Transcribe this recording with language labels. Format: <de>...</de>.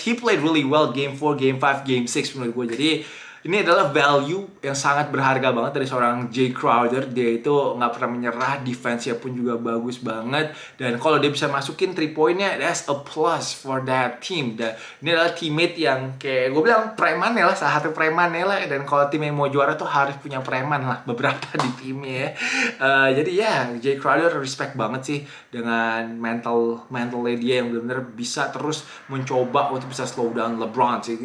<en>He played really well game 4, game 5, game 6</en> <id>menurut gue. Jadi ini adalah value yang sangat berharga banget dari seorang Jay Crowder. Dia itu nggak pernah menyerah, defense-nya pun juga bagus banget. Dan kalau dia bisa masukin 3 point-nya,</id> <en>that's a plus for that team.</en> <id>Dan ini adalah teammate yang kayak gue bilang preman lah, salah satu preman lah. Dan kalau tim yang mau juara tuh harus punya preman lah, beberapa di timnya ya. Jadi ya, Jay Crowder respect banget sih dengan mentalnya dia yang benar-benar bisa terus mencoba untuk bisa slow down LeBron sih.</id>